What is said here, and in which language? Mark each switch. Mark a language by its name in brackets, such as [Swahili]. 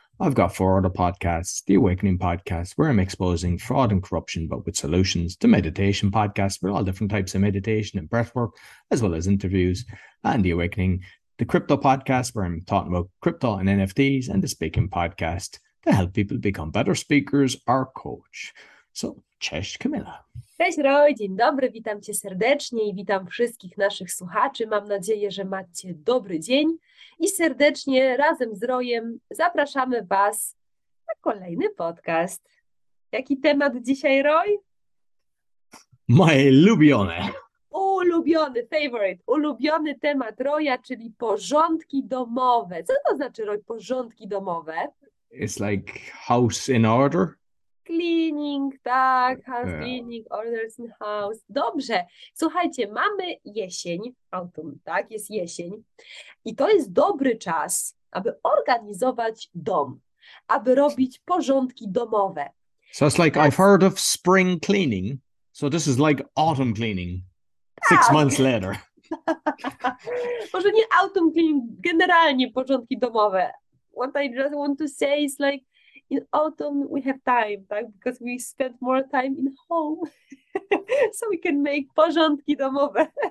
[English] I've got four other podcasts, the Awakening Podcast, where I'm exposing fraud and corruption, but with solutions, the Meditation Podcast, with all different types of meditation and breathwork, as well as interviews, and the Awakening, the Crypto Podcast, where I'm talking about crypto and NFTs, and the Speaking Podcast to help people become better speakers or coach. [Polish] So, cześć Kamila. Cześć Roy, dzień dobry, witam cię serdecznie i witam wszystkich naszych słuchaczy. Mam nadzieję, że macie dobry dzień i serdecznie razem z Royem zapraszamy was na kolejny podcast. Jaki temat dzisiaj, Roy? Moje ulubione. Ulubiony, favorite, ulubiony temat Roya, czyli porządki domowe. Co to znaczy, Roy, porządki domowe? [English] It's like house in order. Cleaning, tak, house cleaning, orders in house. [Polish] Dobrze, słuchajcie, mamy jesień, autumn, tak, jest jesień i to jest dobry czas, aby organizować dom, aby robić porządki domowe. [English] So it's like, I've heard of spring cleaning, so this is like autumn cleaning, [Polish] tak. [English] Six months later. [Polish] Może nie [English] autumn cleaning, [Polish] generalnie porządki domowe. [English] What I just want to say is like, in autumn, we have time, tak? Because we spend more time in home, so we can make [Polish] porządki domowe.